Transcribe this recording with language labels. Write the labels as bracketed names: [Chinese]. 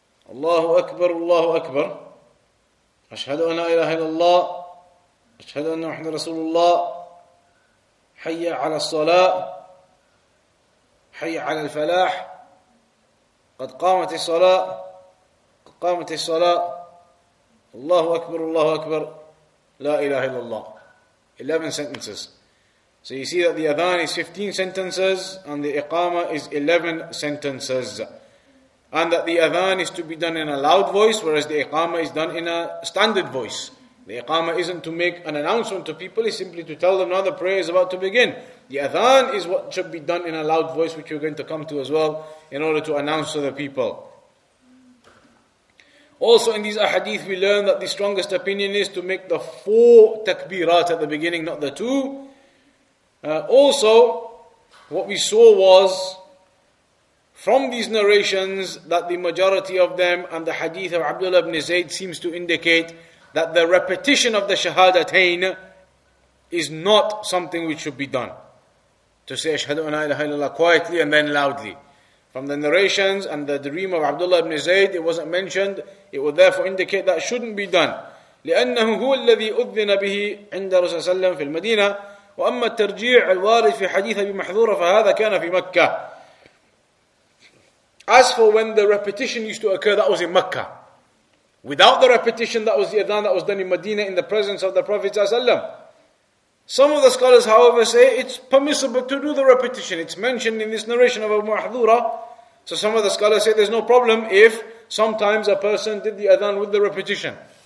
[Arabic] الله أكبر الله أكبر أشهد أن لا إله إلا الله أشهد أن محمد رسول الله حي على الصلاة حي على الفلاح قد قامت الصلاة قد قامت الصلاة الله أكبر الله أكبر لا إله إلا الله [English] 11 sentences. So you see that the adhan is 15 sentences and the iqama is 11 sentences. and that the adhan is to be done in a loud voice, whereas the iqama is done in a standard voice. The iqama isn't to make an announcement to people, it's simply to tell them now the prayer is about to begin. The adhan is what should be done in a loud voice, which we're going to come to as well, in order to announce to the people. Also in these ahadith we learn that the strongest opinion is to make the four takbirat at the beginning, not the two. Also, what we saw was, from these narrations, that the majority of them and the hadith of Abdullah ibn Zayd seems to indicate that the repetition of the shahadatain is not something which should be done. To say ashhadu an la ilaha illallah quietly and then loudly. From the narrations and the dream of Abdullah ibn Zayd, it wasn't mentioned. It would therefore indicate that shouldn't be done. [Arabic] لأنه هو الذي أذن به عند رسول صلى الله عليه وسلم في المدينة وأما الترجيع الوارد في حديث أبي محذورة فهذا كان في مكة. [English] As for when the repetition used to occur, that was in Mecca. Without the repetition, that was the adhan that was done in Medina in the presence of the Prophet ﷺ. Some of the scholars, however, say it's permissible to do the repetition. It's mentioned in this narration of Abu Mahdura. So some of the scholars say there's no problem if sometimes a person did the adhan with the repetition.